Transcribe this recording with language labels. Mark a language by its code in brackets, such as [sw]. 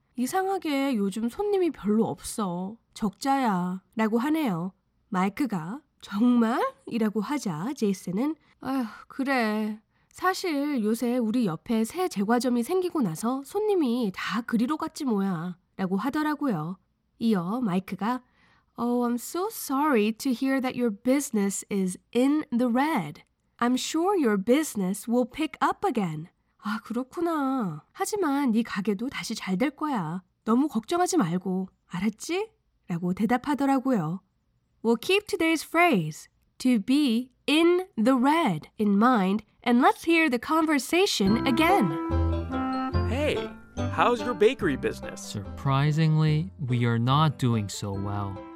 [ko] 이상하게 요즘 손님이 별로 없어. 적자야. 라고 하네요. 마이크가 정말? 이라고 하자 제이슨은 아휴, 그래. 사실 요새 우리 옆에 새 제과점이 생기고 나서 손님이 다 그리로 갔지 뭐야. 라고 하더라고요. 이어 마이크가 [en] Oh, I'm so sorry to hear that your business is in the red. I'm sure your business will pick up again. [ko] 아, 그렇구나. 하지만 네 가게도 다시 잘 될 거야. 너무 걱정하지 말고. 알았지? 라고 대답하더라고요. [en] We'll keep today's phrase, to be in the red, in mind, and let's hear the conversation again. Hey, how's your bakery business? Surprisingly, we are not doing so well.